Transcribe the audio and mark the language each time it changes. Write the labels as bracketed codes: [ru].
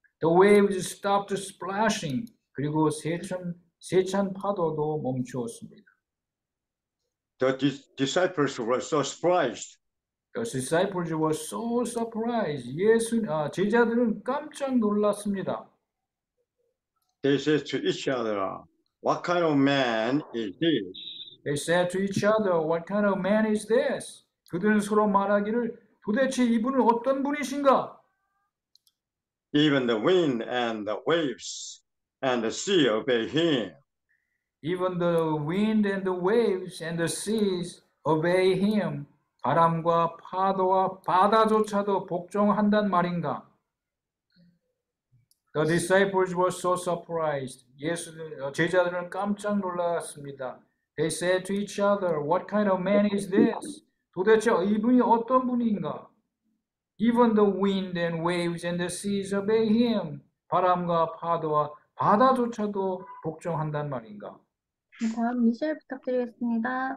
[en] The waves stopped splashing. [ko] 그리고 세찬 파도도 멈추었습니다. [en] The disciples were so surprised. The disciples were so surprised. [ko] 제자들은 깜짝 놀랐습니다. [en] They said to each other, "What kind of man is this?" They said to each other, "What kind of man is this?" [ko] 그들은 서로 말하기를, 도대체 이분은 어떤 분이신가? [en] Even the wind and the waves and the sea obey him. Even the wind and the waves and the seas obey him. [ko] 바람과 파도와 바다조차도 복종한단 말인가? [en] The disciples were so surprised. [ko] 제자들은 깜짝 놀랐습니다. [en] They said to each other, "What kind of man is this?" [ko] 도대체 이분이 어떤 분인가? [en] Even the wind and waves and the seas obey him. [ko] 바람과 파도와 바다조차도 복종한단 말인가? 다음 미셸 부탁드리겠습니다.